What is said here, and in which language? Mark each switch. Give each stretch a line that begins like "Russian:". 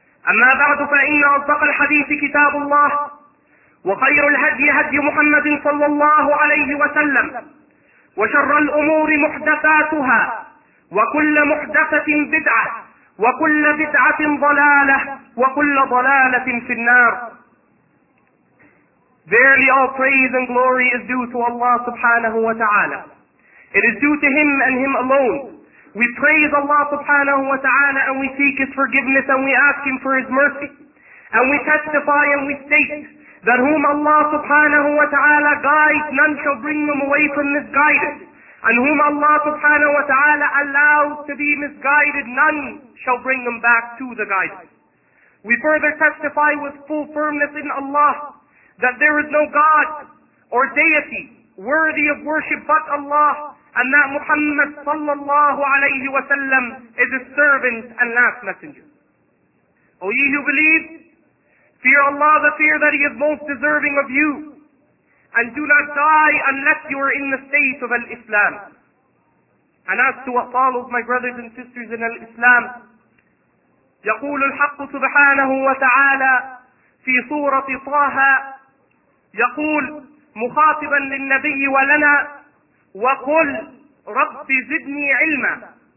Arabic: أما بعد، فإن أصدق الحديث كتاب الله، وخير الهدي هدي محمد صلى الله عليه وسلم، وشر الأمور محدثاتها، وكل محدثة بدعة، وكل بدعة ضلالة، وكل ضلالة في النار.
English: Verily all praise and glory is due to Allah subhanahu wa ta'ala. It is due to Him and Him alone. We praise Allah subhanahu wa ta'ala, and we seek His forgiveness, and we ask Him for His mercy. And we testify and we state that whom Allah subhanahu wa ta'ala guides, none shall bring them away from misguidance. And whom Allah subhanahu wa ta'ala allows to be misguided, none shall bring them back to the guidance. We further testify with full firmness in Allah that there is no God or deity worthy of worship but Allah, and that Muhammad sallallahu alayhi wa sallam is his servant and last messenger. O ye who believe, fear Allah the fear that He is most deserving of you, and do not die unless you are in the state of al-Islam. And as to what follows, my brothers and sisters in al-Islam,
Arabic: يقول الحق سبحانه وتعالى في سورة طه، يقول مخاطبا للنبي ولنا، وقل رب زدني علما.